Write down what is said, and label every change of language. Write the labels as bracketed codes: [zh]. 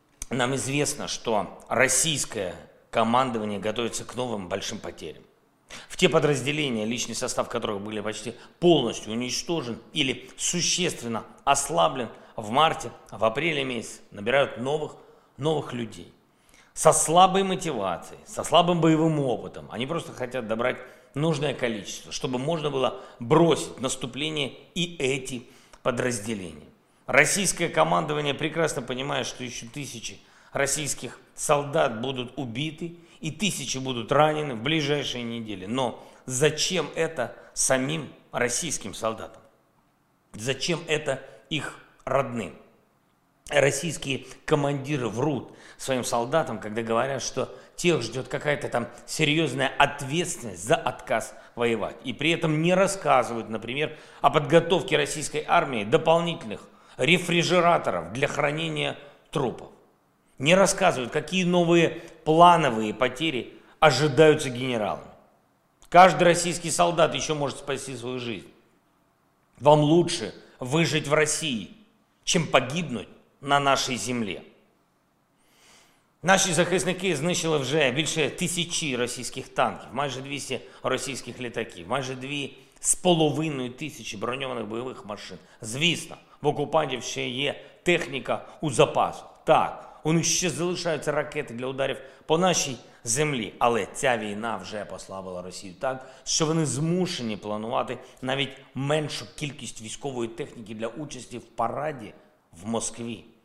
[uk] Нам звісно, що російське командування готується к новим большим потерям. В ті підрозділення, лічний состав которых були майже повністю уничтожені или существенно ослаблен в марті, в апрелі місяць набирають нових людей. [ru] Со слабой мотивацией, со слабым боевым опытом. Они просто хотят добрать нужное количество, чтобы можно было бросить наступление и эти подразделения. Российское командование прекрасно понимает, что еще тысячи российских солдат будут убиты и тысячи будут ранены в ближайшие недели. Но зачем это самим российским солдатам? Зачем это их родным? Российские командиры врут своим солдатам, когда говорят, что тех ждет какая-то там серьезная ответственность за отказ воевать. И при этом не рассказывают, например, о подготовке российской армии дополнительных рефрижераторов для хранения трупов. Не рассказывают, какие новые плановые потери ожидаются генералами. Каждый российский солдат еще может спасти свою жизнь. Вам лучше выжить в России, чем погибнуть [uk] на нашій землі. Наші захисники знищили вже більше тисячі російських танків, майже 200 російських літаків, майже 2,5 тисячі броньованих бойових машин. Звісно, в окупантів ще є техніка у запасу. Так, у них ще залишаються ракети для ударів по нашій землі, але ця війна вже послабила Росію так, що вони змушені планувати навіть меншу кількість військової техніки для участі в параді в Москві.